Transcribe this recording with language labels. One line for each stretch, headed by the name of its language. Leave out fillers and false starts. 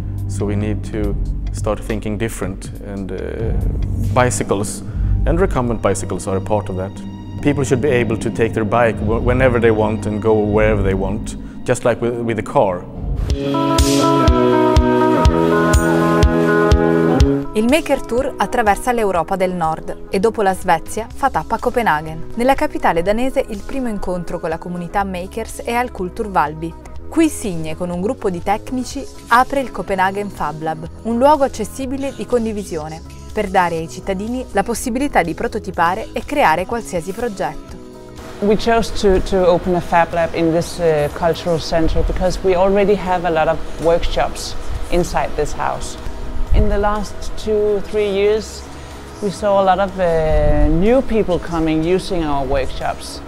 English: So we need to start thinking different, and bicycles and recumbent bicycles are a part of that. People should be able to take their bike whenever they want and go wherever they want, just like with a car.
Italian: Il Maker Tour attraversa l'Europa del Nord e dopo la Svezia fa tappa a Copenaghen. Nella capitale danese il primo incontro con la comunità Makers è al Kulturvalby. Qui Signe, con un gruppo di tecnici, apre il Copenhagen Fablab, un luogo accessibile di condivisione, per dare ai cittadini la possibilità di prototipare e creare qualsiasi progetto.
English: We chose to open a fab lab in this cultural center because we already have a lot of workshops inside this house. In the last 2-3 years, we saw a lot of new people coming using our workshops.